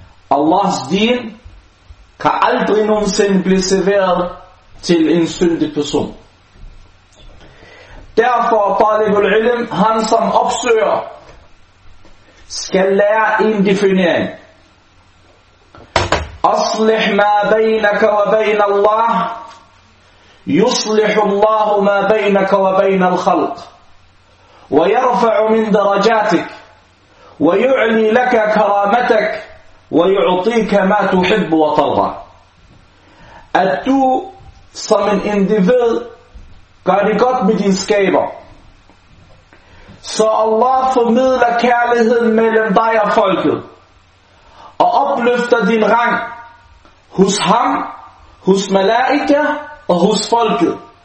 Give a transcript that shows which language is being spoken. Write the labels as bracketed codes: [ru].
[da] Allahs din kan aldrig nogensinde blive serveret til en syndig person. Derfor talibul ilm, han som opsøger, skal lære en definering. [ar] أصلح ما بينك وبين الله يصلح الله ما بينك وبين الخلق ويرفع من درجاتك ويعلي لك كرامتك ويعطيك ما تحب وترضى. [da] At du som en individ gør det godt med din skaber, så Allah formidler kærligheden mellem dig og folket og opløfter din rang hos ham, hos malaika og hos folket.